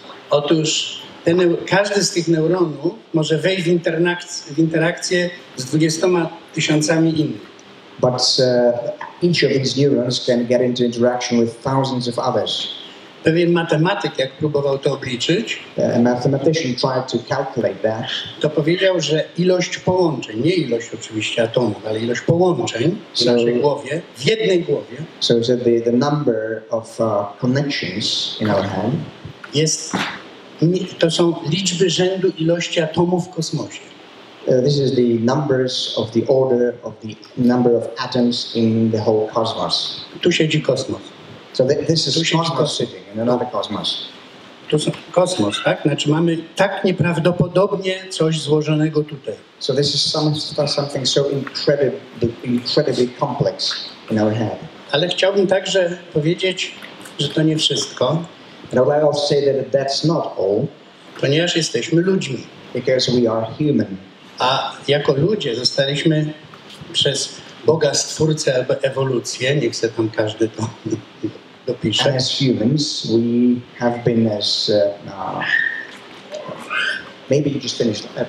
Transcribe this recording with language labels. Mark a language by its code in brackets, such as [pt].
[pl] Otóż każdy z tych neuronów może wejść w interakcję z 20 tysiącami innych. [en] But each of these neurons can get into interaction with thousands of others. [pl] Pewien matematyk, jak próbował to obliczyć, [en] a mathematician tried to calculate that. [pl] To powiedział, że ilość połączeń, nie ilość oczywiście atomów, ale ilość połączeń w naszej głowie, w jednej głowie, [en] so he said the number of connections in our head, [pl] jest, to są liczby rzędu ilości atomów w kosmosie. [en] This is the numbers of the order of the number of atoms in the whole cosmos. [pl] Tu siedzi kosmos. [en] So this is cosmos sitting in another cosmos. [pl] To jest kosmos, tak? Znaczy mamy tak nieprawdopodobnie coś złożonego tutaj. [en] So this is something so incredibly complex in our head. [pl] Ale chciałbym także powiedzieć, że to nie wszystko. [en] But I would also say that that's not all. [pl] Ponieważ jesteśmy ludźmi. [en] Because we are human. [pl] A jako ludzie zostaliśmy przez Boga stwórcę ewolucję, nie chcę tam każdy to dopisze. [en] And as humans, we have been as maybe you just finished.